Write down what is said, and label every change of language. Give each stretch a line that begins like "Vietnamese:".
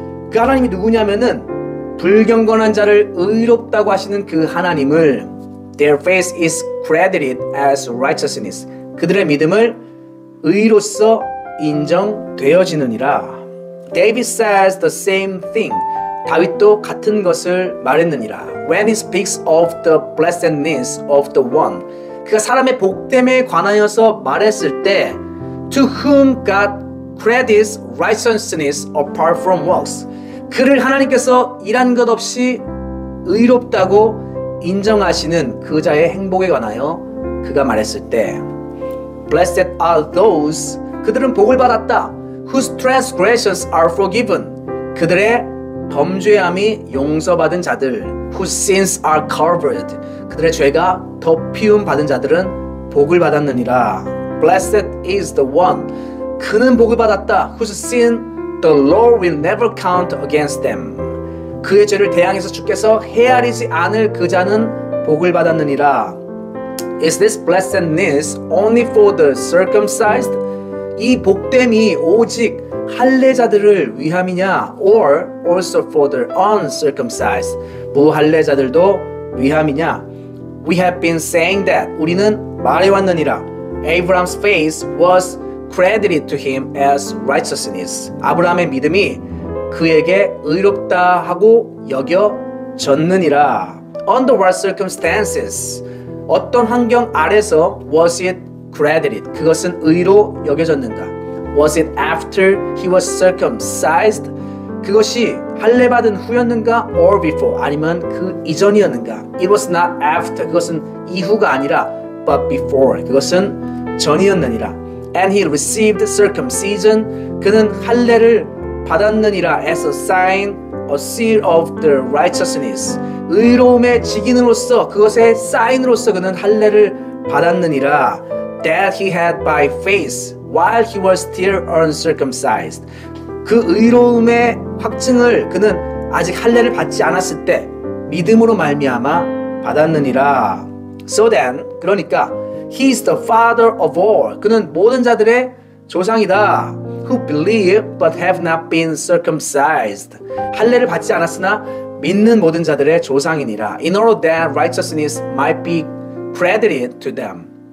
Korean: 그 하나님이 누구냐면은 불경건한 자를 의롭다고 하시는 그 하나님을
English: their faith is credited as righteousness.
Korean: 그들의 믿음을 의로써 인정되어지느니라.
English: David says the same thing.
Korean: 다윗도 같은 것을 말했느니라.
English: When he speaks of the blessedness of the one.
Korean: 그가 사람의 복됨에 관하여서 말했을 때
English: to whom God credits righteousness apart from works.
Korean: 그를 하나님께서 일한 것 없이 의롭다고 인정하시는 그자의 행복에 관하여 그가 말했을 때
English: blessed are those
Korean: 그들은 복을 받았다.
English: whose transgressions are forgiven.
Korean: 그들의 범죄함이 용서받은 자들
English: whose sins are covered.
Korean: 그들의 죄가 덮이움 받은 자들은 복을 받았느니라.
English: Blessed is the one.
Korean: 그는 복을 받았다.
English: whose sin the Lord will never count against them.
Korean: 그의 죄를 대항해서 주께서 헤아리지 않을 그 자는 복을 받았느니라.
English: Is this blessedness only for the circumcised?
Korean: 이 복됨이 오직 할례자들을 위함이냐?
English: Or also for the uncircumcised?
Korean: 무할례자들도 위함이냐?
English: We have been saying that.
Korean: 우리는 말해왔느니라.
English: Abraham's faith was credited to him as righteousness.
Korean: 아브라함의 믿음이 그에게 의롭다 하고 여겨졌느니라.
English: Under what circumstances?
Korean: 어떤 환경 아래서
English: was it credited?
Korean: 그것은 의로 여겨졌는가?
English: Was it after he was circumcised?
Korean: 그것이 할례 받은 후였는가?
English: Or before?
Korean: 아니면 그 이전이었는가?
English: It was not after.
Korean: 그것은 이후가 아니라
English: but before.
Korean: 그것은 전이었느니라.
English: And he received circumcision.
Korean: 그는 할례를 받았느니라.
English: As a sign, a seal of the righteousness.
Korean: 의로움의 직인으로서 그것의 사인으로서 그는 할례를 받았느니라.
English: That he had by faith while he was still uncircumcised.
Korean: 그 의로움의 확증을 그는 아직 할례를 받지 않았을 때 믿음으로 말미암아 받았느니라.
English: So then,
Korean: 그러니까
English: he is the father of all.
Korean: 그는 모든 자들의 조상이다.
English: Who believe but have not been circumcised.
Korean: 할례를 받지 않았으나 믿는 모든 자들의 조상이니라.
English: In order that righteousness might be credited to them.